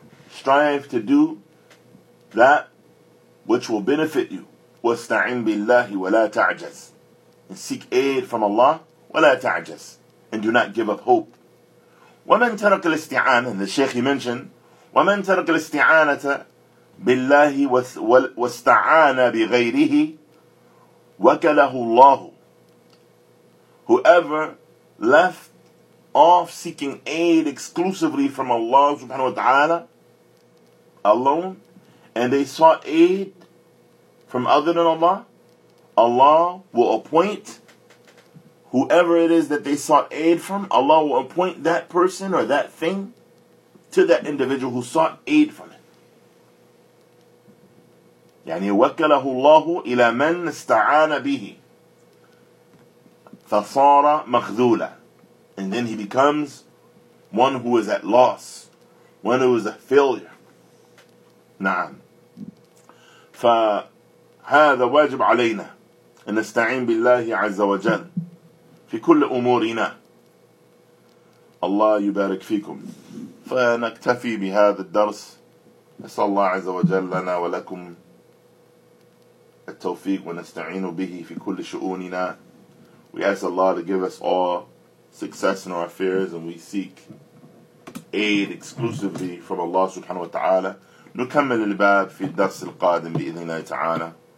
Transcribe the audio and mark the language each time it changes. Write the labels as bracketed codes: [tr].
[en] Strive to do that which will benefit you. [ar] وَاسْتَعِنْ بِاللَّهِ وَلَا تَعْجَزْ. [en] And seek aid from Allah, [ar] وَلَا تَعْجَزْ. [en] And do not give up hope. [ar] وَمَنْ تَرَكَ الْاِسْتِعَانَةَ, [en] and the Shaykh he mentioned, [ar] وَمَنْ تَرَكَ الْاِسْتِعَانَةَ بِاللَّهِ وَاسْتَعَانَ بِغَيْرِهِ وَكَلَهُ اللَّهُ. [en] Whoever left off seeking aid exclusively from Allah subhanahu wa ta'ala alone, and they sought aid from other than Allah, Allah will appoint whoever it is that they sought aid from, Allah will appoint that person or that thing to that individual who sought aid from it. [ar] يعني وكله الله إلى من استعان به فصار مخذولا. [en] And then he becomes one who is at loss, one who is a failure. [ar] نعم. ف هذا واجب علينا أن نستعين بالله عز وجل في كل أمورنا. الله يبارك فيكم. فنكتفي بهذا الدرس. نسأل الله عز وجل لنا ولكم التوفيق ونستعين به في كل شؤوننا. [en] We ask Allah to give us all success in our affairs, and we seek aid exclusively from Allah subhanahu wa ta'ala. [ar] نكمل الباب في الدرس القادم بإذن الله تعالى.